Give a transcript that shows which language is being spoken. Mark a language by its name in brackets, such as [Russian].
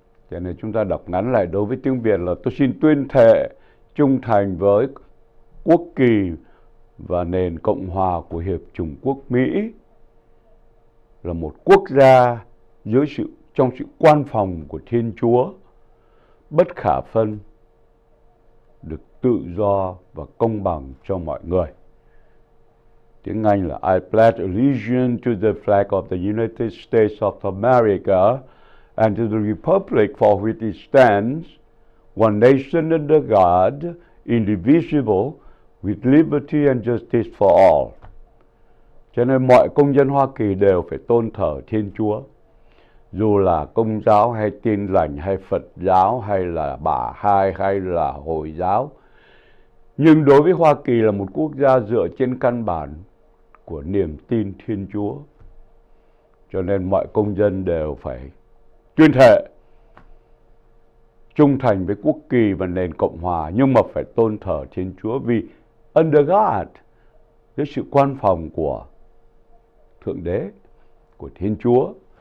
[Vietnamese] Cho nên chúng ta đọc ngắn lại đối với tiếng Việt là tôi xin tuyên thệ trung thành với quốc kỳ và nền Cộng hòa của Hiệp Chủng Quốc Mỹ, là một quốc gia dưới sự trong sự quan phòng của Thiên Chúa, bất khả phân, được tự do và công bằng cho mọi người. Tiếng Anh là [English] I pledge allegiance to the flag of the United States of America and to the Republic for which it stands, one nation under God, indivisible, with liberty and justice for all. [Vietnamese] Cho nên mọi công dân Hoa Kỳ đều phải tôn thờ Thiên Chúa, dù là Công giáo hay Tin lành hay Phật giáo hay là Bà Hai hay là Hồi giáo. Nhưng đối với Hoa Kỳ là một quốc gia dựa trên căn bản của niềm tin Thiên Chúa, cho nên mọi công dân đều phải tuyên thệ trung thành với quốc kỳ và nền Cộng hòa, nhưng mà phải tôn thờ Thiên Chúa, vì [English] under God, [Vietnamese] dưới sự quan phòng của Thượng Đế, của Thiên Chúa.